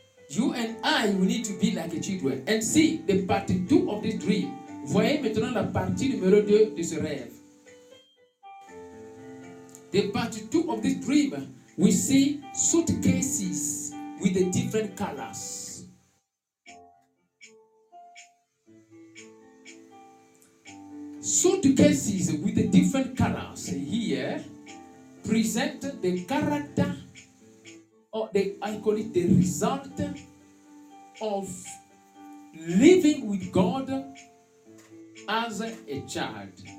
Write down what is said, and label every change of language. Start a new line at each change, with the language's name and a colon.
English: You and I, we need to be like a children. And see, the part 2 of this dream.
French: Voyez maintenant la partie numéro 2 de ce rêve.
English: The part 2 of this dream, we see suitcases with the different colors. Suitcases with the different colors here present the character, or the, I call it the result of living with God as a child.